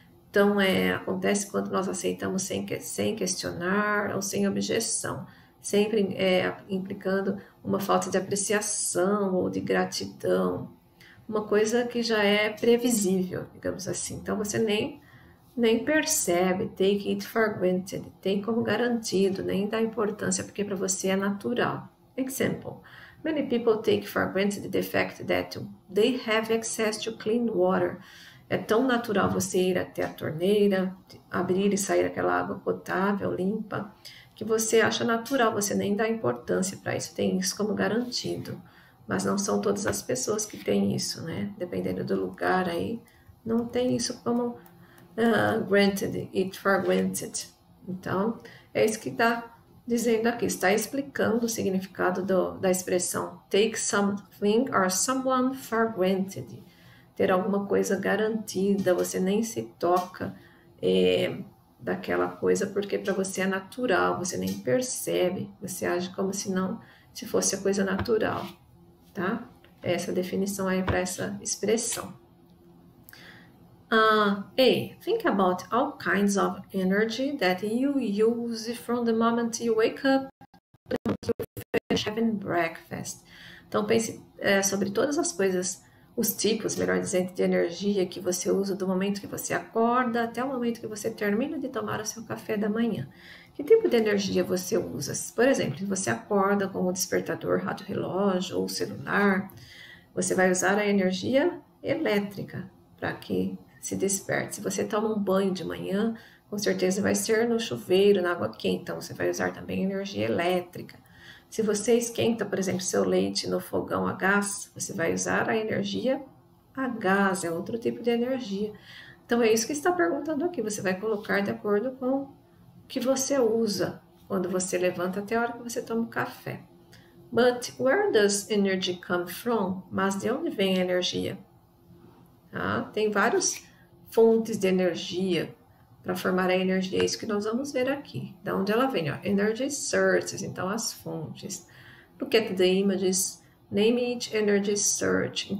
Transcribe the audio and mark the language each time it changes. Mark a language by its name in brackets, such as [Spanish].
[Portuguese] Então, acontece quando nós aceitamos sem questionar ou sem objeção, sempre implicando uma falta de apreciação ou de gratidão, uma coisa que já é previsível, digamos assim. Então, você nem percebe, [English] take it for granted, [Portuguese] tem como garantido, nem dá importância porque para você é natural. [English] Example: many people take for granted the fact that they have access to clean water. [Portuguese] É tão natural você ir até a torneira, abrir e sair aquela água potável, limpa, que você acha natural, você nem dá importância para isso, tem isso como garantido. Mas não são todas as pessoas que têm isso, né? Dependendo do lugar aí, não tem isso como granted, [English] it for granted. [Portuguese] Então, é isso que está dizendo aqui, está explicando o significado da expressão [English] take something or someone for granted. [Portuguese] Ter alguma coisa garantida, você nem se toca daquela coisa, porque para você é natural, você nem percebe, você age como se não se fosse a coisa natural, tá? Essa definição aí para essa expressão. [English] Think about all kinds of energy that you use from the moment you wake up until you finish having breakfast. [Portuguese] Então, pense sobre todas as coisas, os tipos, melhor dizendo, de energia que você usa do momento que você acorda até o momento que você termina de tomar o seu café da manhã. Que tipo de energia você usa? Por exemplo, se você acorda com o despertador, rádio relógio ou celular, você vai usar a energia elétrica para que se desperte. Se você toma um banho de manhã, com certeza vai ser no chuveiro, na água quente, então você vai usar também energia elétrica. Se você esquenta, por exemplo, seu leite no fogão a gás, você vai usar a energia a gás, é outro tipo de energia. Então é isso que está perguntando aqui, você vai colocar de acordo com o que você usa quando você levanta até a hora que você toma o café. [English] But where does energy come from? [Portuguese] Mas de onde vem a energia? Tá? Tem várias fontes de energia para formar a energia, é isso que nós vamos ver aqui. Da onde ela vem? Ó. [English] Energy sources, [Portuguese] então as fontes. [English] Look at the images, name each energy source.